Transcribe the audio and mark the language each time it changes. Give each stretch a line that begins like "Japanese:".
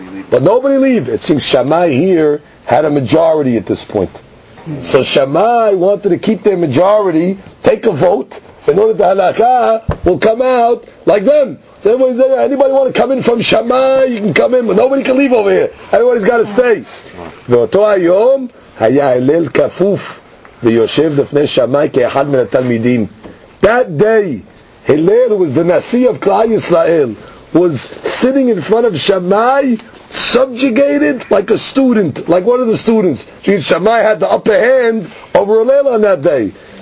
English: But nobody leave. It seems Shammai here had a majority at this point. So Shammai wanted to keep their majority, take a vote, in order that the halakha will come out like them. So everybody said, anybody want to come in from Shammai, you can come in, but nobody can leave over here. Everybody's got to stay.
Hebrew: ואותו היום היה הלל כפוף ויושב לפני שמאי כאחד מן התלמידים.
English: That day, Hillel, who was the Nasi of Klal Yisrael, was sitting in front of Shammai, subjugated like a student, like one of the students. Shammai had the upper hand over Hillel on that day.